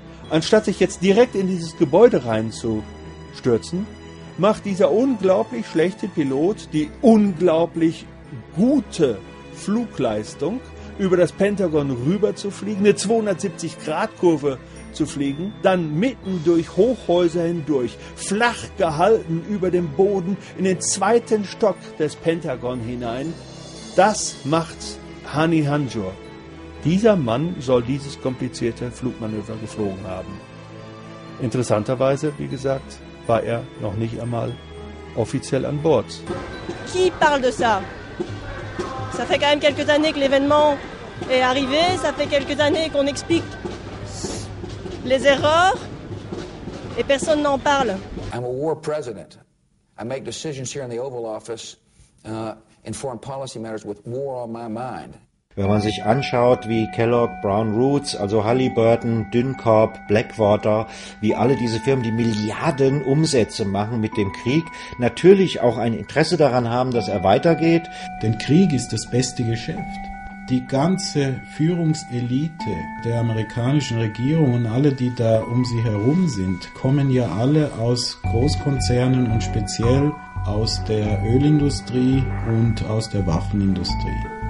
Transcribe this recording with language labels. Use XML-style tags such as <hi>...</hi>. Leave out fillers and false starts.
<de>Anstatt sich jetzt direkt in dieses Gebäude reinzustürzen, macht dieser unglaublich schlechte Pilot die unglaublich gute Flugleistung, über das Pentagon rüber zu fliegen, eine 270-Grad-Kurve zu fliegen, dann mitten durch Hochhäuser hindurch, flach gehalten über dem Boden, in den zweiten Stock des Pentagon hinein. Das macht Hani Hanjour. Dieser Mann soll dieses komplizierte Flugmanöver geflogen haben. Interessanterweise, wie gesagt, war er noch nicht einmal offiziell an Bord.</de> <fr>Qui parle de ça? Ça fait quand même quelques années que l'événement est arrivé, ça fait quelques années qu'on explique les erreurs et personne n'en parle.</fr> <en>I'm a war president. I make decisions here in the Oval Office in foreign policy matters with war on my mind.</en> <de>Wenn man sich anschaut, wie Kellogg, Brown Roots, also Halliburton, Dyncorp, Blackwater, wie alle diese Firmen, die Milliarden Umsätze machen mit dem Krieg, natürlich auch ein Interesse daran haben, dass er weitergeht. Denn Krieg ist das beste Geschäft. Die ganze Führungselite der amerikanischen Regierung und alle, die da um sie herum sind, kommen ja alle aus Großkonzernen und speziell aus der Ölindustrie und aus der Waffenindustrie.</de>